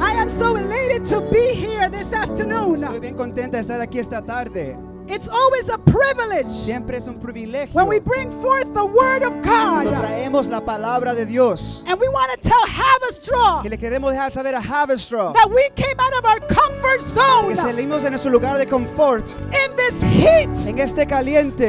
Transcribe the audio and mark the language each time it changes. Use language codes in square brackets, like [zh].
[en] I am so elated to be here this afternoon. [es] Estoy bien contenta de estar aquí esta tarde. [en] It's always a privilege. [es] Siempre es un privilegio. [en] When we bring forth the word of God. [es] Cuando traemos la palabra de Dios. [en] And we want to tell Havistraw. [es] Y le queremos dejar saber a Havistraw. [en] That we came out of our comfort zone. [es] Que salimos de nuestro lugar de confort. [en] In this heat. [es] En este caliente.